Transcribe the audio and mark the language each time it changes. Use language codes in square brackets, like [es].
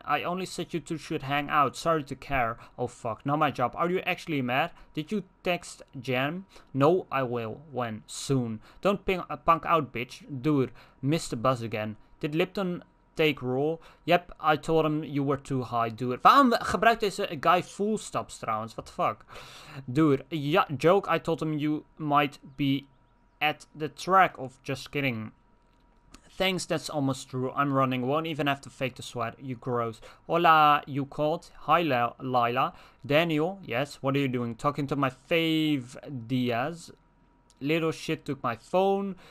[en] I only said you two should hang out. Sorry to care. Oh, fuck. Not my job. Are you actually mad? Did you text Jen? No, I will. When? Soon. Don't punk out, bitch. Dude, missed the buzz again. Did Lipton take rule? Yep, I told him you were too high. Do it. [nl] Waarom gebruikt deze guy full stops trouwens? [en] What the fuck? Dude, yeah, joke. I told him you might be at the track of just kidding. Thanks, that's almost true. I'm running. Won't even have to fake the sweat. You gross. Hola, you called. Hi, Lila. Daniel, yes. What are you doing? Talking to my fave Diaz. Little shit took my phone.